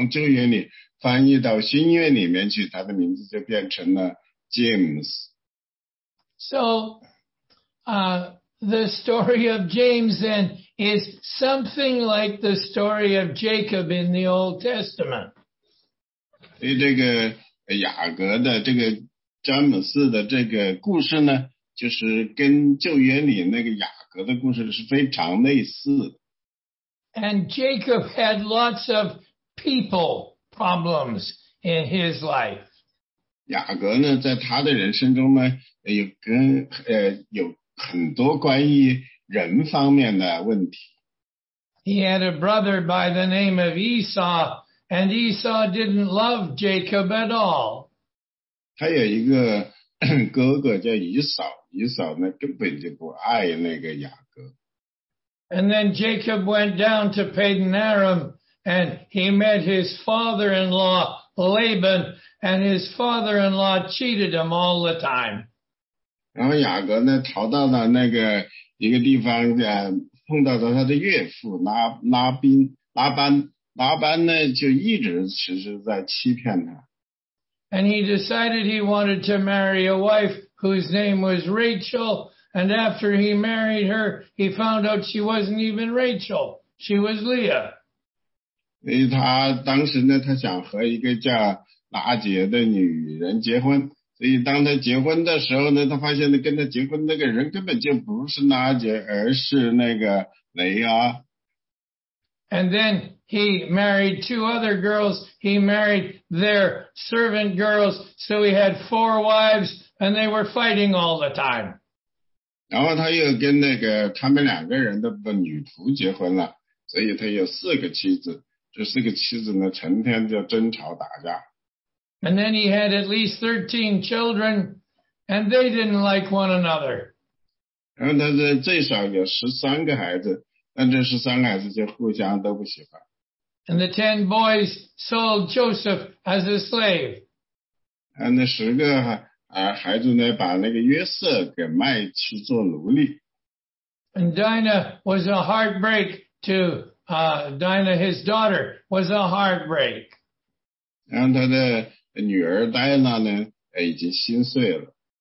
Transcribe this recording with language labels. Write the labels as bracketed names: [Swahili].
[Chinese] 如果说把雅各的名字从旧约里翻译到新约里面去, 他的名字就变成了James。 [English] So, the story of James then is something like the story of Jacob in the Old Testament. [Chinese] 这个雅各的这个詹姆斯的这个故事呢, 就是跟旧约里那个雅各的故事是非常类似的。 [English] And Jacob had lots of people problems in his life. [Chinese] 雅各呢, 在他的人生中呢, 有很多关于人方面的问题。 [English] He had a brother by the name of Esau, and Esau didn't love Jacob at all. [Chinese] 他有一个哥哥叫以扫, 以扫呢, 根本就不爱那个雅各。 [English] And then Jacob went down to Padan Aram, and he met his father-in-law, Laban, and his father-in-law cheated him all the time. [Chinese] 然后雅各呢, 逃到了那个一个地方, 碰到了他的岳父拉宾, 拉班, 拉班呢, 就一直其实在欺骗他。 [English] And he decided he wanted to marry a wife whose name was Rachel, and after he married her, he found out she wasn't even Rachel, she was Leah. [Chinese] 所以他当时呢, 他想和一个叫拉结的女人结婚, 所以当他结婚的时候呢, 他发现跟他结婚那个人根本就不是拉结, 而是那个雷啊。 [English] And then he married two other girls, he married their servant girls, so he had four wives, and they were fighting all the time. [Chinese] 然后他又跟那个他们两个人的女仆结婚了, 所以他有四个妻子, 这四个妻子呢, 成天就争吵打架。 [English] And then he had at least 13 children, and they didn't like one another. [Chinese] 然后他最少有13个孩子, 但这13个孩子就互相都不喜欢。 [English] And the 10 boys sold Joseph as a slave. [Chinese] 那十个孩子呢, 把那个约瑟给卖去做奴隶。 [English] And Dinah was a heartbreak to, Dinah, his daughter, was a heartbreak. [Chinese] 然后他的 女儿戴娜呢已经心碎了。